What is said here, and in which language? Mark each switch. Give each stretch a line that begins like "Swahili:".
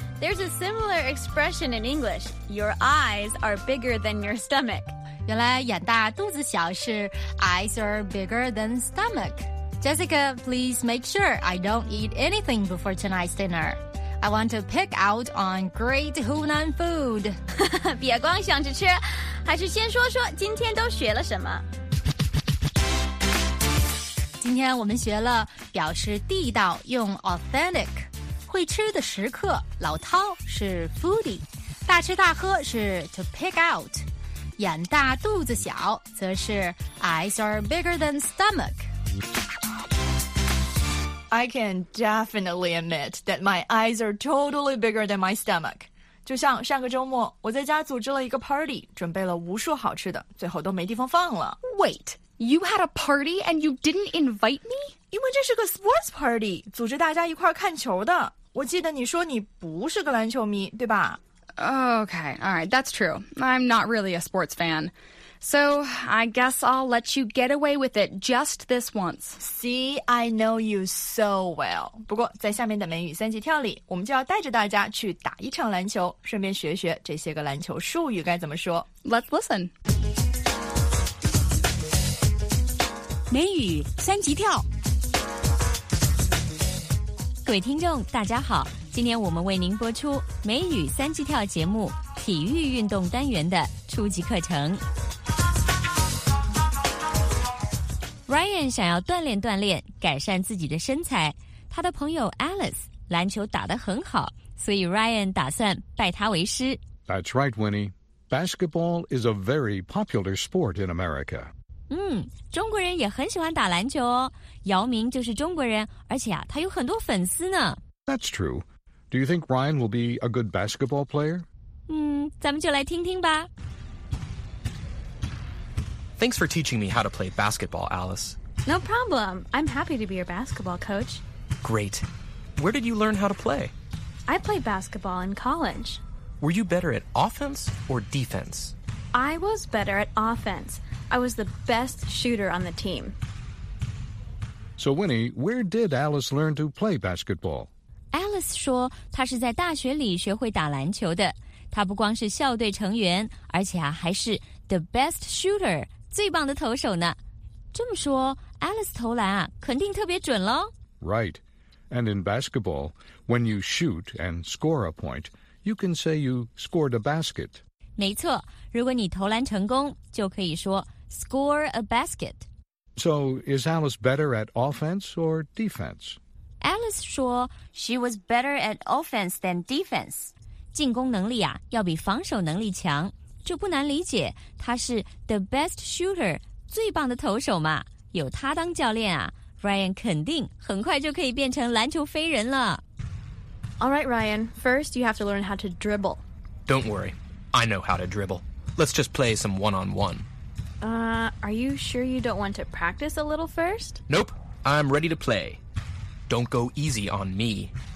English: There's a similar expression in English. Your eyes are bigger than your stomach.
Chinese: 原来眼大肚子小是
English: eyes are bigger than stomach. Jessica, please make sure I don't eat anything before tonight's dinner. I want to pick out on great Hunan food.
Chinese: 别光想着吃，还是先说说今天都学了什么。今天我们学了表示地道用 authentic, 会吃的食客老饕是 foodie, 大吃大喝是
English: to pick out,
Chinese: 眼大肚子小则是
English: eyes are bigger than stomach. I can definitely admit that my eyes are totally bigger than my stomach.
Chinese: 就像上个周末我在家组织了一个 party, 准备了无数好吃的最后都没地方放了。
English: Wait, you had a party and you didn't invite me?
Chinese: 因为这是个
English: sports party,
Chinese: 组织大家一块看球的。我记得你说你不是个篮球迷对吧
English: Okay, alright, that's true. I'm not really a sports fan. So, I guess I'll let you get away with it just this once. See, I know you so well.
Chinese: 不过在下面的美语三级跳里我们就要带着大家去打一场篮球顺便学学这些个篮球术语该怎么说。
English: Let's listen.
Chinese: 美语三级跳。各位听众大家好今天我们为您播出美语三级跳节目体育运动单元的初级课程。 Ryan 想要锻炼锻炼改善自己的身材他的朋友 Alice 篮球打得很好所以 Ryan 打算拜他为师
English: That's right, Winnie. Basketball is a very popular sport in America.
Chinese: 嗯中国人也很喜欢打篮球哦姚明就是中国人而且啊他有很多粉丝呢
English: That's true. Do you think Ryan will be a good basketball player?
Chinese: 嗯咱们就来听听吧
English: Thanks for teaching me how to play basketball, Alice. No problem. I'm happy to be your basketball coach. Great. Where did you learn how to play? I played basketball in college. Were you better at offense or defense? I was better at offense. I was the best shooter on the team. So, Winnie, where did Alice learn to play basketball?
Chinese: Alice 说她是在大学里学会打篮球的。她不光是校队成员，而且啊，还是
English: the best shooter.
Chinese: 最棒的投手呢这么说 Alice 投篮啊肯定特别准咯
English: Right. And in basketball, when you shoot and score a point, you can say you scored a basket.
Chinese: 没错如果你投篮成功就可以说
English: score a basket. So is Alice better at offense or defense?
Chinese: Alice 说
English: She was better at offense than defense.
Chinese: 进攻能力啊要比防守能力强。就不难理解他是
English: the best shooter
Chinese: 最棒的投手嘛有他当教练啊 Ryan 肯定很快就可以变成篮球飞人了
English: Alright Ryan First you have to learn how to dribble Don't worry I know how to dribble Let's just play some one-on-one Are you sure you don't want to practice a little first? Nope I'm ready to play Don't go easy on me